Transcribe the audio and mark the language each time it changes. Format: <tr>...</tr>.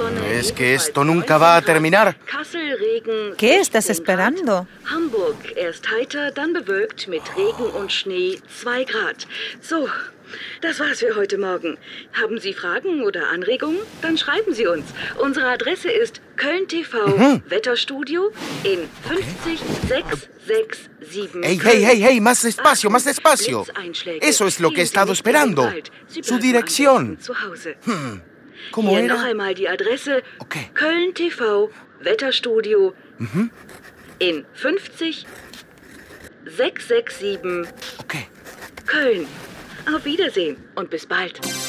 <es>Es que esto nunca va a terminar. ¿Qué estás esperando?</es> <de>Hamburg, erst heiter, dann bewölkt mit Regen und Schnee 2 Grad. So. Das war's für heute Morgen. Haben Sie Fragen oder Anregungen? Dann schreiben Sie uns. Unsere Adresse ist Köln TV, Wetterstudio in 50667.</de> <es>Hey, hey, hey, hey, más despacio, más despacio. Eso es lo que he estado esperando. Su dirección. ¿Cómo era?</es> <de>Noch einmal die Adresse. Köln TV, Wetterstudio in 50667. Okay. Köln. Auf Wiedersehen und bis bald.</de>